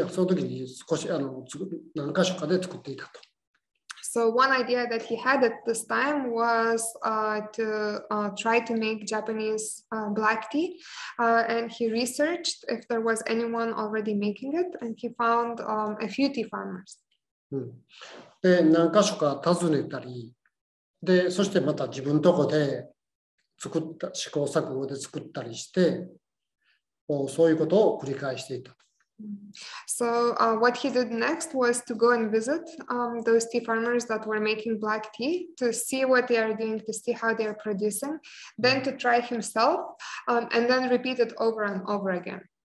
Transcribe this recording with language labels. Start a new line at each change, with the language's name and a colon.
Japanese: その一つが和紅茶で、僕が調べた時はその時に少しあの何箇所かで作っていたと。
English: So one idea that he had at this time was try to make Japanese black tea. And he researched if there was anyone already making it, and he found a few tea farmers.
Japanese: で、何箇所か訪ねたり、で、そしてまた自分とこで作った試行錯誤で作ったりして、そういうことを繰り返していた。
English: So what he did next was to go and visit those tea farmers that were making black tea to see what they are doing, to see how they are producing, then to try himself, and then repeat it over and over again.